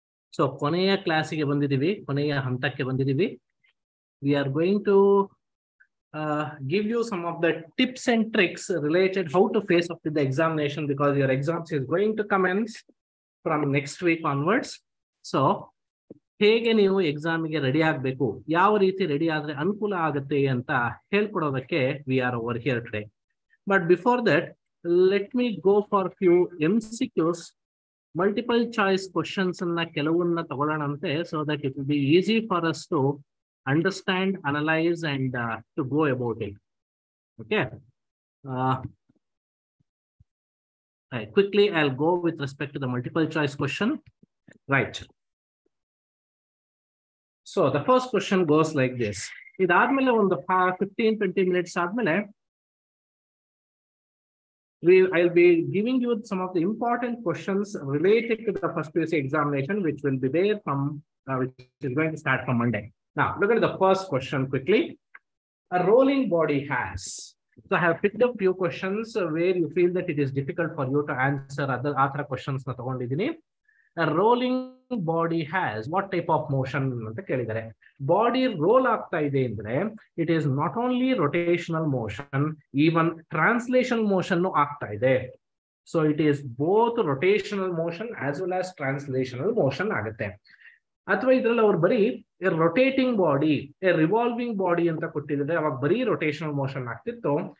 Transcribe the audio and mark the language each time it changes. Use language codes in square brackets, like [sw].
[kn] So, koneya class ge bandidivi, koneya hantakke bandidivi. [en] We are going to give you some of the tips and tricks related how to face up to the examination, because your exams is going to commence from next week onwards. [kn] So, ಹೇಗೆ ನೀವು ಎಕ್ಸಾಮಿಗೆ ready ಆಗಬೇಕು, ಯಾವ ರೀತಿ ready ಆದರೆ ಅನುಕೂಲ ಆಗುತ್ತೆ ಅಂತ ಹೇಳ್ಕೊಡೋದಕ್ಕೆ [en] We are over here today. But before that let me go for few M C Qs, multiple choice questions [kn] ಅನ್ನ ಕೆಲವನ್ನ ತಗೊಳ್ಳೋಣಂತೆ. [en] So that it will be easy for us to understand, analyse and to go about it. Okay, quickly I will go with respect to the multiple choice question. Right, so the first question goes like this. [kn] ಇದಾದ್ಮೇಲೆ ಒಂದು [en] 15-20 minutes ಆದ್ಮೇಲೆ I will be giving you some of the important questions related to the first PUC examination, which will be there from which is going to start from Monday. ನಾ look at the first question quickly. A rolling body has, so I have picked up few questions where you feel that it is difficult for you to answer. [kn] ಅದರ ಆ ಥರ questions ನ ತಗೊಂಡಿದ್ದೀನಿ. [en] A rolling body has what type of motion [kn] ಅಂತ ಕೇಳಿದ್ದಾರೆ. Body roll ಆಗ್ತಾ ಇದೆ ಅಂದ್ರೆ [en] it is not only rotational motion, even translation motion [kn] ಆಗ್ತಾ ಇದೆ. [en] So it is both rotational motion as well as translational motion ಆಗುತ್ತೆ. [kn] ಅಥವಾ ಇದರಲ್ಲಿ ಅವ್ರು ಬರೀ [en] a rotating body, a revolving body [kn] ಅಂತ ಕೊಟ್ಟಿದ್ದಾರೆ, ಅವಾಗ ಬರೀ ರೊಟೇಷನಲ್ ಮೋಷನ್ ಆಗ್ತಿತ್ತು.